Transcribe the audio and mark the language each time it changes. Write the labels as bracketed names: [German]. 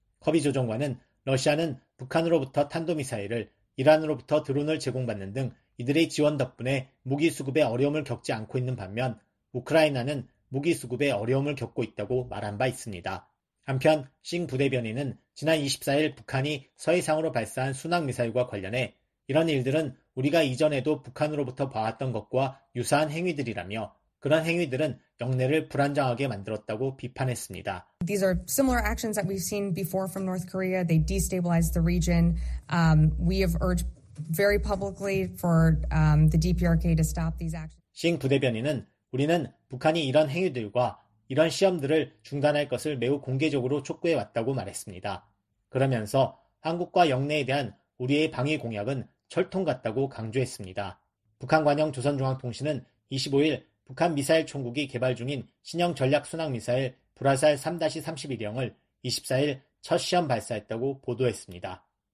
[Korean] 커비 조정관은 러시아는 북한으로부터 탄도미사일을, 이란으로부터 드론을 제공받는 등 이들의 지원 덕분에 무기 수급에 어려움을 겪지 않고 있는 반면 우크라이나는 무기 수급에 어려움을 겪고 있다고 말한 바 있습니다. 한편 싱 부대변인은 지난 24일 북한이 서해상으로 발사한 순항미사일과 관련해 이런 일들은 우리가 이전에도 북한으로부터 봐왔던 것과 유사한 행위들이라며 그런 행위들은 역내를 불안정하게 만들었다고 비판했습니다. [English] These are similar actions that we've seen before from North Korea. They destabilized the region. We have urged very publicly for the DPRK to stop these actions. [Korean] 싱 부대변인은 우리는 북한이 이런 행위들과 이런 시험들을 중단할 것을 매우 공개적으로 촉구해 왔다고 말했습니다. 그러면서 한국과 역내에 대한 우리의 방위 공약은 철통 같다고 강조했습니다. 북한 관영 조선중앙통신은 25일 북한 미사일 총국이 개발 중인 신형 전략 순항 미사일 불화살 3-31형을 24일 첫 시험 발사했다고 보도했습니다.